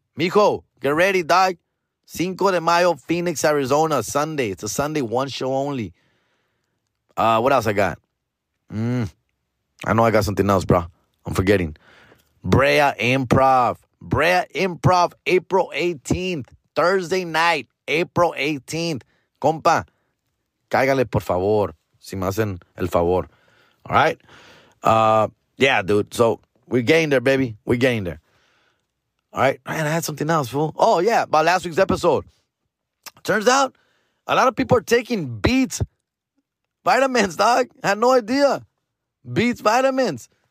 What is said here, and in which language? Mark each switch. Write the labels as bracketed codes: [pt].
[en] Mijo, get ready, dog. Cinco de Mayo, Phoenix, Arizona, Sunday. It's a Sunday, one show only. What else I got? I know I got something else, bro. I'm forgetting. Brea Improv, April 18th, Thursday night, April 18th. [es] Compa, cáigale, por favor, si me hacen el favor. [en] All right? Yeah, dude. So, we're getting there, baby. We're getting there. All right? Man, I had something else, fool. Oh, yeah, about last week's episode. Turns out, a lot of people are taking Beats vitamins, dog. I had no idea. Beats vitamins.